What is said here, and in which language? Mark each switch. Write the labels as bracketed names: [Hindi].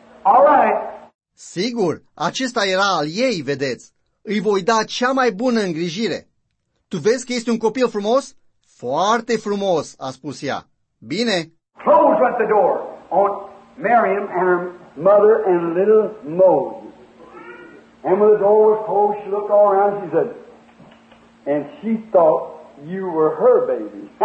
[English] All right. [Romanian] Sigur, acesta era al ei, vedeți. Îi voi da cea mai bună îngrijire. Tu vezi că este un copil frumos? Foarte frumos, a spus ea. Bine. [English] Close at the door on Miriam and her mother and little Moses. And when the door was closed, she looked all around, she said, and she thought you were her baby.